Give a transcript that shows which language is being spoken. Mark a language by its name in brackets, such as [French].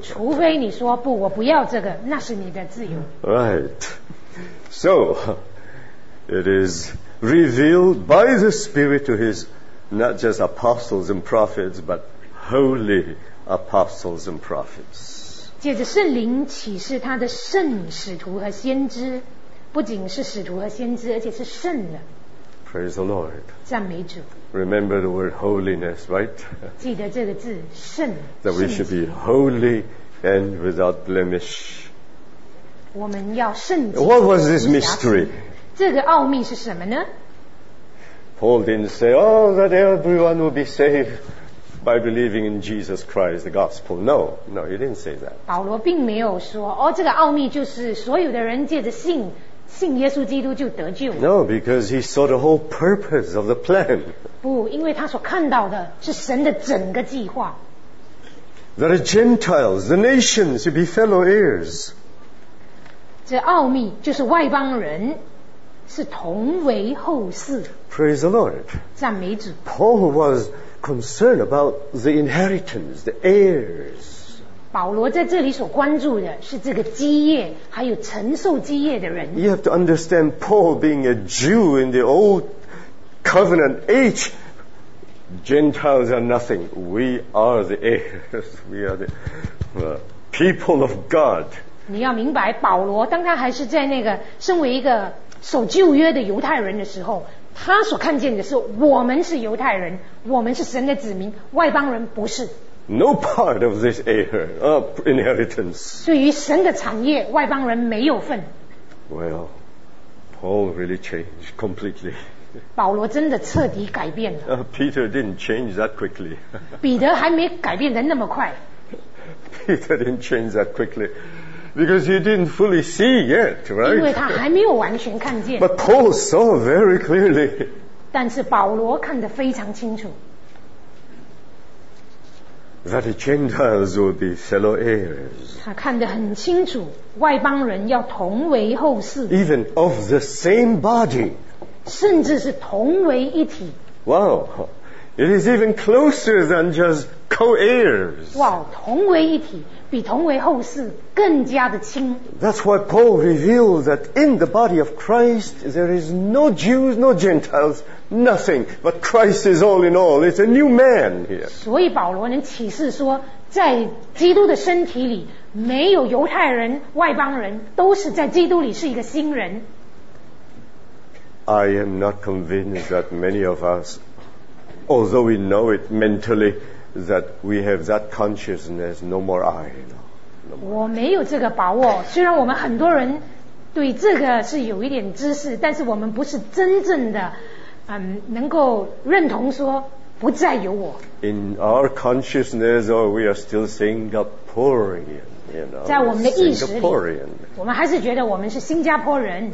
[Chinese] 除非你说不，我不要这个，那是你的自由。 [English] Right. So it is revealed by the Spirit to His not just apostles and prophets, but holy apostles and prophets. [Chinese] 借着圣灵启示他的圣使徒和先知，不仅是使徒和先知，而且是圣的。 [English] Praise the Lord. [Chinese] 赞美主。 [English] Remember the word holiness, right? [Chinese] 记得这个字，圣。 [English] That we should be holy and without blemish. [Chinese] 我们要圣洁。 [English] What was this mystery? [Chinese] 这个奥秘是什么呢？ [English] Paul didn't say, oh, that everyone will be saved by believing in Jesus Christ, the gospel. No, no, he didn't say that. [Chinese] 保罗并没有说，哦，这个奥秘就是所有的人借着信。信耶稣基督就得救。 [English] No, because he saw the whole purpose of the plan. [Chinese] 不，因为他所看到的是神的整个计划。 [English] That the Gentiles, the nations, should be fellow heirs. [Chinese] 这奥秘就是外邦人是同为后嗣。 [English] Praise the Lord. [Chinese] 赞美主。 [English] Paul was concerned about the inheritance, the heirs. [Chinese] 保罗在这里所关注的是这个基业，还有承受基业的人。 [English] You have to understand Paul being a Jew in the old covenant age. Gentiles are nothing. We are the heirs. We are the people of God. [Chinese] 你要明白，保罗当他还是在那个身为一个守旧约的犹太人的时候，他所看见的是我们是犹太人，我们是神的子民，外邦人不是。 [English] No part of this heir, inheritance. [Chinese] 对于神的产业，外邦人没有份。 [English] Well, Paul really changed completely. [Chinese] 保罗真的彻底改变了。 [English] Peter didn't change that quickly. [Chinese] 彼得还没改变得那么快。 [English] Peter didn't change that quickly because he didn't fully see yet, right? [Chinese] 因为他还没有完全看见。 [English] But Paul saw very clearly. [Chinese] 但是保罗看得非常清楚。 [English] That the Gentiles will be fellow heirs. [Chinese] 他看得很清楚，外邦人要同为后嗣。 [English] Even of the same body. [Chinese] 甚至是同为一体。 [English] Wow, it is even closer than just co-heirs. [Chinese] Wow, 同为一体比同为后嗣更加的亲。 [English] That's why Paul revealed that in the body of Christ there is no Jews, no Gentiles. Nothing, but Christ is all in all. It's a new man here. [Chinese] 所以保罗能启示说，在基督的身体里，没有犹太人、外邦人，都是在基督里是一个新人。 [English] I am not convinced that many of us, although we know it mentally, that we have that consciousness. No more I. No more. [Chinese] 我没有这个把握，虽然我们很多人对这个是有一点知识，但是我们不是真正的。能够认同说不再有我。 [English] In our consciousness, or we are still Singaporean, you know. [Chinese] 在我们的意识里， Singaporean. 我们还是觉得我们是新加坡人。